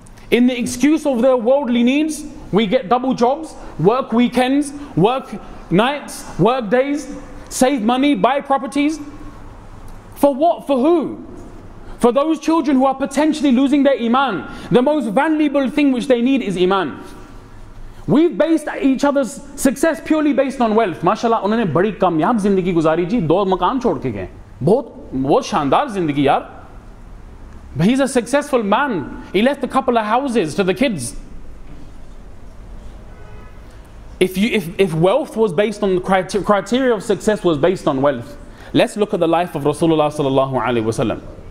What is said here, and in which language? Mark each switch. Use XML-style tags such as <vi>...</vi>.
<en>In the excuse of their worldly needs, we get double jobs, work weekends, work nights, work days, save money, buy properties. For what? For who? For those children who are potentially losing their iman. The most valuable thing which they need is iman. We've based each other's success purely based on wealth.</en> <ur>ماشاءاللہ، انہوں نے بڑی کامیاب زندگی گزاری جی، دو مکان چھوڑ کے گئے۔ بہت شاندار زندگی یار۔</ur> <en>But he's a successful man. He left a couple of houses to the kids. If wealth was based on the criteria of success was based on wealth, let's look at the life of Rasulullah sallallahu alaihi wasallam.</en>